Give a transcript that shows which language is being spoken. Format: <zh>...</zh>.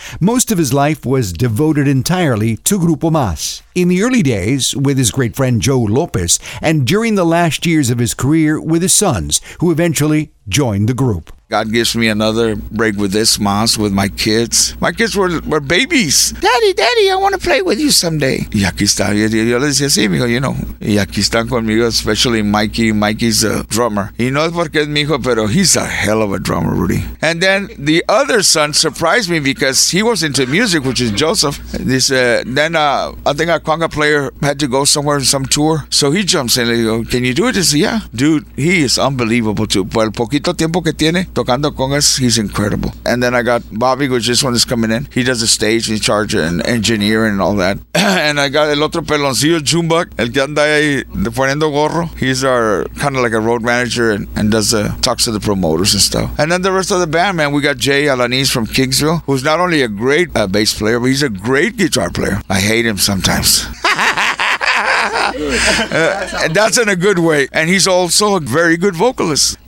<en>Most of his life was devoted entirely to Grupo Mas. In the early days, with his great friend Joe Lopez, and during the last years of his career with his sons, who eventually joined the group. God gives me another break with this Mas, with my kids. My kids were babies. Daddy, I want to play with you someday.</en> <es>Y aquí está, yo le decía, sí, mijo,</es> <en>you know.</en> <es>Y aquí están conmigo, especially Mikey.</es> <en>Mikey's a drummer.</en> <es>Y no es porque es mi hijo, pero</es> <en>he's a hell of a drummer, Rudy. And then the other son surprised me because he was into music, which is Joseph. This I think a conga player had to go somewhere on some tour. So he jumps in and he goes, can you do it? I said, yeah. Dude, he is unbelievable too.</en> <es>Por el poquito tiempo que tiene, tocando congas,</es> <en>he's incredible. And then I got Bobby, which is one that's coming in. He does the stage, he's charging and engineering and all that. And I got</en> <es>el otro peloncillo, Jumbuck, el que anda ahí poniendo gorro.</es> <en>He's our kind of like a road manager and does the talks to the promoters and stuff. And then the rest of the band, man, we got Jay Alaniz from Kingsville, who's not only a great bass player, but he's a great guitar player. I hate him sometimes. That's in a good way. And he's also a very good vocalist.</en>